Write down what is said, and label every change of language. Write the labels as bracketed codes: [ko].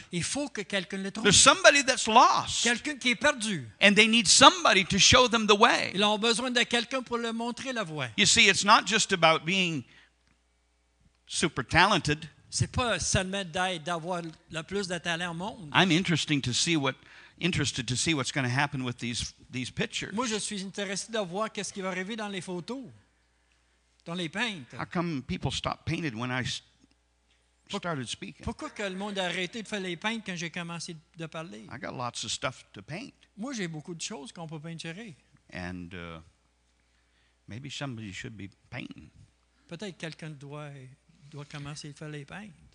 [en] There's somebody that's lost. And they need somebody to show them the way. You see, it's not just about being super talented. [fr] C'est pas seulement d'avoir le plus de talent au monde. [en] I'm interested to see what's going to happen with these pictures. [fr] Moi, je suis intéressé de voir qu'est-ce qui va arriver dans les photos, dans les peintres. [en] How come people stopped painted when I started speaking? [fr] Pourquoi que le monde a arrêté de faire les peintres quand j'ai commencé de parler? [en] I got lots of stuff to paint. [fr] Moi, j'ai beaucoup de choses qu'on peut peinturer. [en] And maybe somebody should be painting. [fr] Peut-être quelqu'un doit commencer à faire les peintres.